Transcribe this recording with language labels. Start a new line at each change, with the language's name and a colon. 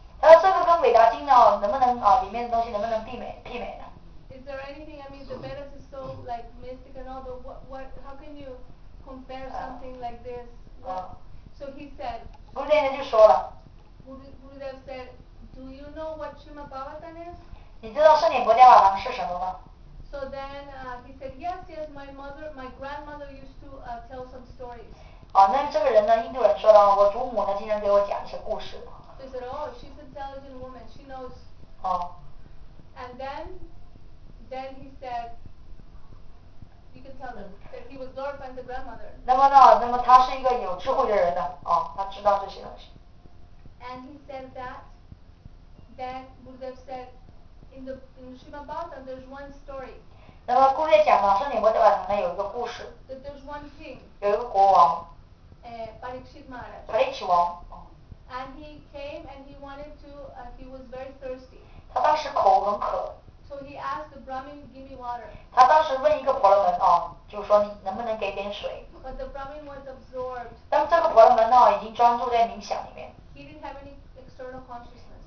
Chinese: 他说这个跟韦达经呢，能不能啊，里面的东西能不能媲美呢
English: ？Is there anything? I mean, the Vedas is so like mystic and all, but what? How can you compare something like this? So he said.
Chinese: 古德呢就说了。
English: Gurudev said, "Do you know what Srimad Bhagavatam is?"
Chinese: 你知道圣典薄伽瓦堂是什么吗
English: ？So then he said, "Yes, yes. My grandmother used to tell some stories."
Chinese: 啊，那这个人呢？印度人说的，我祖母呢，经常给我讲一些故事。
English: She said, "Oh, she's an intelligent woman. She knows."
Chinese: 哦。
English: And then he said, "You can tell them that he was Lord Panda's grandmother."
Chinese: 那么他是一个有智慧的人呢，哦，他知道这些东西。
English: And he said that, then Gurudev said, in the Srimad Bhagavatam, there's one story.
Chinese: 那么古德讲嘛，圣典薄伽瓦堂呢有一个故事。
English: That there's one king.
Chinese: 有一个国王。
English: Parikshit Maharaj.
Chinese: Parikshit 王。
English: And he came and he wanted to. He was very thirsty.
Chinese: 他当时口很渴。
English: So he asked the Brahmin, "Give me water."
Chinese: 他当时问一个婆罗门啊，就说你能不能给点水
English: ？But the Brahmin was absorbed.
Chinese: 但这个婆罗门呢，已经专注在冥想里面。
English: He didn't have any external consciousness.